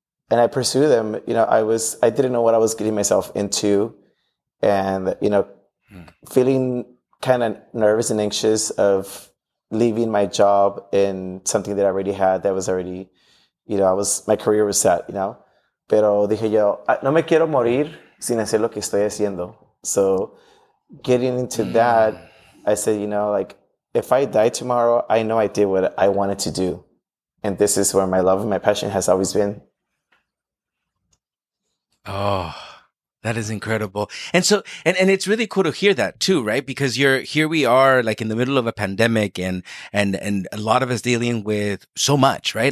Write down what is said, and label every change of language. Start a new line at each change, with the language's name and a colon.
English: And I pursue them. You know, I didn't know what I was getting myself into. And, you know, feeling kind of nervous and anxious of leaving my job and something that I already had that was already, you know, my career was set, you know.
Spanish: Pero dije yo, no me quiero morir sin hacer lo que estoy haciendo.
English: So getting into that, I said, you know, like, if I die tomorrow, I know I did what I wanted to do. And this is where my love and my passion has always been. Oh, that is incredible. And so, and it's really cool to hear that too, right? Because here we are, like, in the middle of a pandemic, and a lot of us dealing with so much, right?